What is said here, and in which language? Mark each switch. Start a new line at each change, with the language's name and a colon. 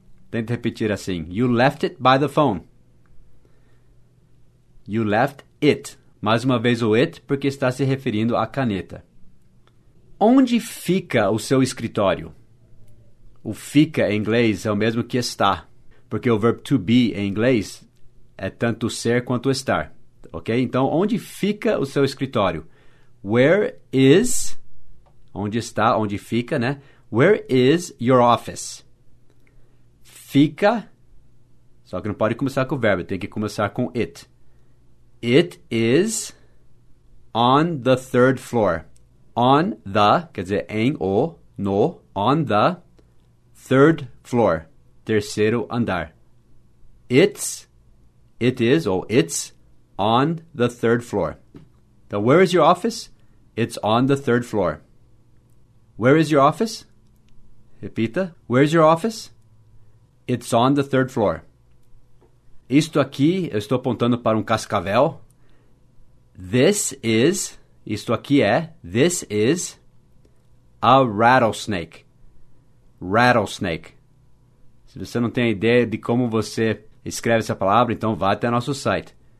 Portuguese: Tente repetir assim,
English: you left it by the phone. You left it,
Portuguese: mais uma vez o it, porque está se referindo à caneta. Onde fica o seu escritório? O fica em inglês é o mesmo que está, porque o verbo to be em inglês é tanto ser quanto estar, ok? Então, onde fica o seu escritório?
English: Where is,
Portuguese: onde está, onde fica, né?
English: Where is your office?
Portuguese: Fica, só que não pode começar com o verbo, tem que começar com it.
English: It is on the third floor. On the,
Portuguese: quer dizer, em o, no,
English: on the third floor,
Portuguese: terceiro andar.
English: It's, it is, ou it's on the third floor. Now, where is your office? It's on the third floor. Where is your office?
Portuguese: Repita,
English: where is your office? It's on the third floor.
Portuguese: Isto aqui, eu estou apontando para um cascavel.
English: This is...
Portuguese: Isto aqui é,
English: this is a rattlesnake. Rattlesnake.
Portuguese: Se você não tem ideia de como você escreve essa palavra, então vá até nosso site.